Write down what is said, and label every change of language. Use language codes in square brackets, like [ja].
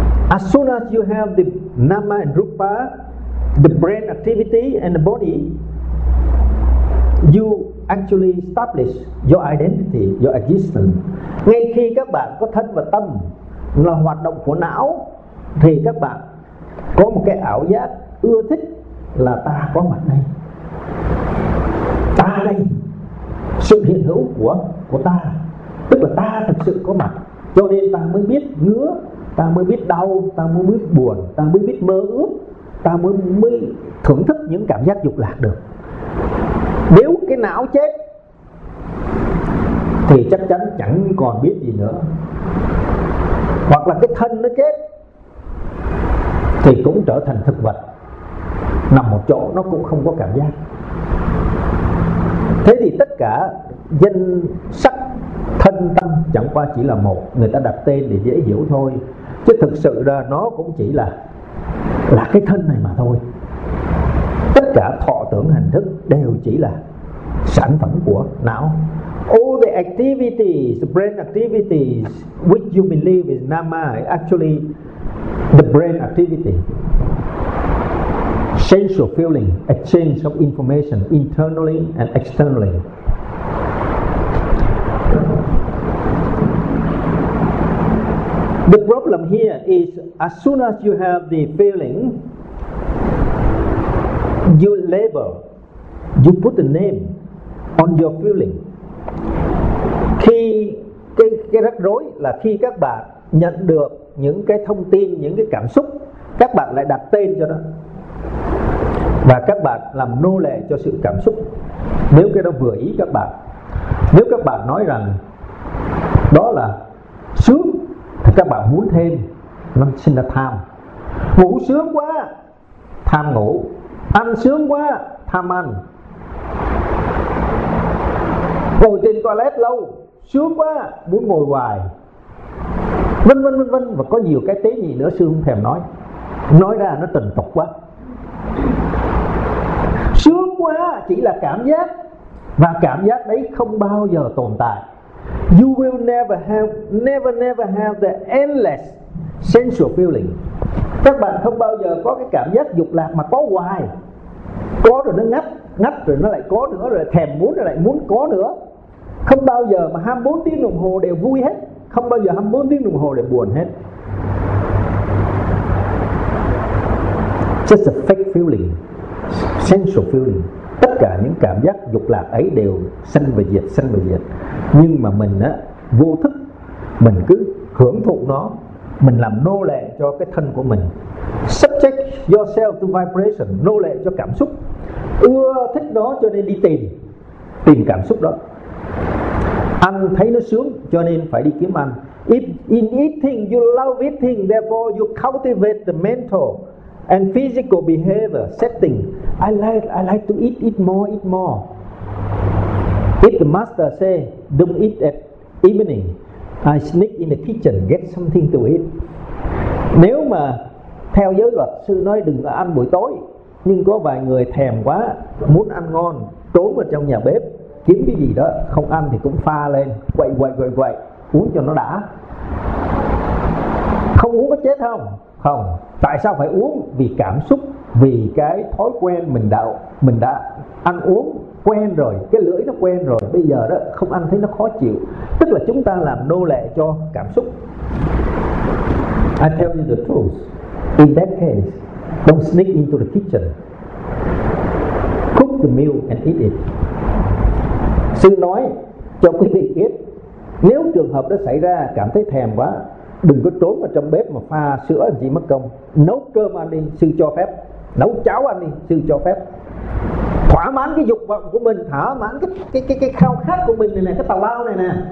[en] As soon as you have the nama and rupa, the brain activity and the body, you actually establish your identity, your existence. [vi] Ngay khi các bạn có thân và tâm là hoạt động của não, thì các bạn có một cái ảo giác ưa thích là ta có mặt đây. Ta đây, sự hiện hữu của ta, tức là ta thực sự có mặt. Cho nên ta mới biết ngứa, ta mới biết đau, ta mới biết buồn, ta mới biết mơ ước, ta mới thưởng thức những cảm giác dục lạc được. Nếu cái não chết thì chắc chắn chẳng còn biết gì nữa. Hoặc là cái thân nó chết thì cũng trở thành thực vật, nằm một chỗ nó cũng không có cảm giác. Thế thì tất cả danh sắc thân tâm chẳng qua chỉ là một, người ta đặt tên để dễ hiểu thôi, chứ thực sự là nó cũng chỉ là cái thân này mà thôi. Tất cả thọ tưởng hành thức đều chỉ là sản phẩm của não. [en] All the activities, the brain activities which you believe is nama, actually the brain activity, sensual feeling, exchange of information internally and externally. The problem here is as soon as you have the feeling, you label, you put a name on your feeling. [vi] Khi cái rắc rối là khi các bạn nhận được những cái thông tin, những cái cảm xúc, các bạn lại đặt tên cho nó và các bạn làm nô lệ cho sự cảm xúc. Nếu cái đó vừa ý các bạn, nếu các bạn nói rằng đó là sướng thì các bạn muốn thêm, nó sinh ra tham. Ngủ sướng quá, tham ngủ. Ăn sướng quá, tham ăn. Ngồi trên toilet lâu, sướng quá, muốn ngồi hoài. Vân vân vân vân. Và có nhiều cái tế gì nữa sướng thèm nói. Nói ra nó tình tục quá. Sướng quá chỉ là cảm giác, và cảm giác đấy không bao giờ tồn tại. [en] You will never have the endless sensual feeling. [vi] Các bạn không bao giờ có cái cảm giác dục lạc mà có hoài. Có rồi nó ngắt, ngắt rồi nó lại có nữa, rồi thèm muốn rồi lại muốn có nữa. Không bao giờ mà 24 tiếng đồng hồ đều vui hết, không bao giờ 24 tiếng đồng hồ đều buồn hết. [en] Just a fake feeling, sensual feeling. [vi] Tất cả những cảm giác dục lạc ấy đều sanh và diệt, sanh và diệt. Nhưng mà mình á, vô thức, mình cứ hưởng thụ nó, mình làm nô lệ cho cái thân của mình. [en] Subject yourself to vibration, [vi] nô lệ cho cảm xúc, ưa thích nó cho nên đi tìm, tìm cảm xúc đó. Ăn thấy nó sướng cho nên phải đi kiếm ăn. [en] If in eating you love eating, therefore you cultivate the mental and physical behavior setting. I like to eat more. If the master say don't eat at evening, I sneak in the kitchen, get something to eat. [vi] Nếu mà theo giới luật sư nói đừng có ăn buổi tối, nhưng có vài người thèm quá, muốn ăn ngon, trốn vào trong nhà bếp, kiếm cái gì đó, không ăn thì cũng pha lên, quậy, uống cho nó đã. Không uống có chết không? Không. Tại sao phải uống? Vì cảm xúc, vì cái thói quen mình đã ăn uống quen rồi, cái lưỡi nó quen rồi, bây giờ đó không ăn thấy nó khó chịu. Tức là chúng ta làm nô lệ cho cảm xúc. [en] I tell you the truth. In that case, don't sneak into the kitchen. Cook the meal and eat it. [vi] Sư nói cho quý vị biết, nếu trường hợp đó xảy ra, cảm thấy thèm quá, đừng có trốn vào trong bếp mà pha sữa gì mất công. Nấu cơm ăn đi, sư cho phép. Nấu cháo ăn đi, sư cho phép. Thỏa mãn cái dục vọng của mình, thỏa mãn cái khao khát của mình này nè, cái tào lao này nè.